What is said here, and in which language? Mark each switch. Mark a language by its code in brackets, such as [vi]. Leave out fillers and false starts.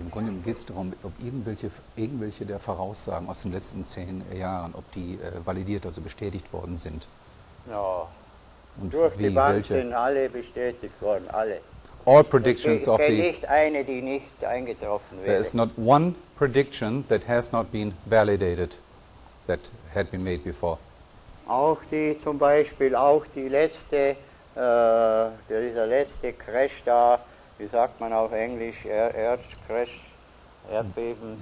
[de] Im Grunde geht es darum, ob irgendwelche der Voraussagen aus den letzten 10 Jahren, ob die validiert, also bestätigt worden sind. [en] No. [de] Und durch die Bank sind alle bestätigt worden, alle. [en] All predictions of the... [de] Nicht eine, die nicht eingetroffen wäre. [en] There is not one prediction that has not been validated. That had been made before. [de] Auch die, zum Beispiel, auch die letzte, dieser letzte Crash da, wie sagt man auf Englisch, Erdcrash, Erdbeben.